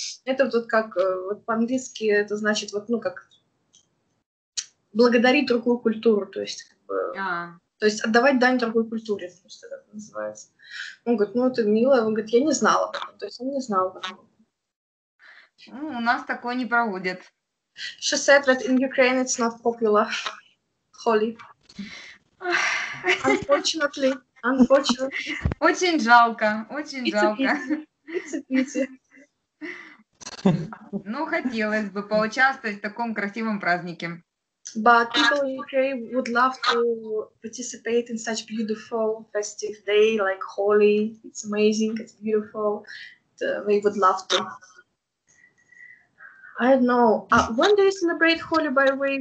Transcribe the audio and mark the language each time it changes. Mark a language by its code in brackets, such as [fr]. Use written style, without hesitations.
[ru] Это вот как вот по-английски это значит, вот, ну, как благодарить другую культуру, то есть... То есть отдавать дань другой культуре, просто так называется. Он говорит, ну это мило. Он говорит, я не знала. То есть он не знал. Ну, у нас такое не проводят. [en] She said that in Ukraine it's not popular. Holy. Unfortunately. Unfortunately. [ru] Очень жалко. Очень жалко. [en] It's a pity. [ru] Ну, хотелось бы поучаствовать в таком красивом празднике. [en] But people in Ukraine would love to participate in such beautiful festive day like Holi. It's amazing. It's beautiful. They would love to. I don't know. When do you celebrate Holi, by the way?